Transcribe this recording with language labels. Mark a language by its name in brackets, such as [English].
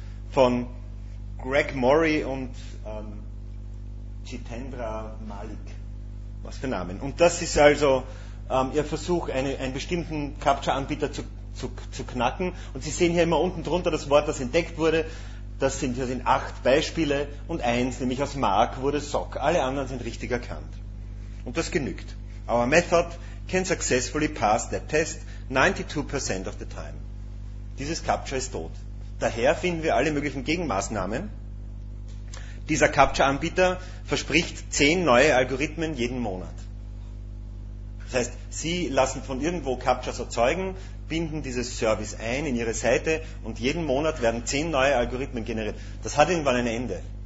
[German] Von Greg Murray und Jitendra Malik. Was für Namen. Und das ist also ihr Versuch, einen bestimmten Capture-Anbieter zu knacken. Und Sie sehen hier immer unten drunter das Wort, das entdeckt wurde. Das sind 8 Beispiele und eins, nämlich aus Mark, wurde SOC. Alle anderen sind richtig erkannt. Und das genügt. [English] Our method can successfully pass that test 92% of the time. [German] Dieses Capture ist tot. Daher finden wir alle möglichen Gegenmaßnahmen. Dieser Capture-Anbieter verspricht 10 neue Algorithmen jeden Monat. Das heißt, Sie lassen von irgendwo Captchas erzeugen, binden dieses Service ein in Ihre Seite und jeden Monat werden 10 neue Algorithmen generiert. Das hat irgendwann ein Ende.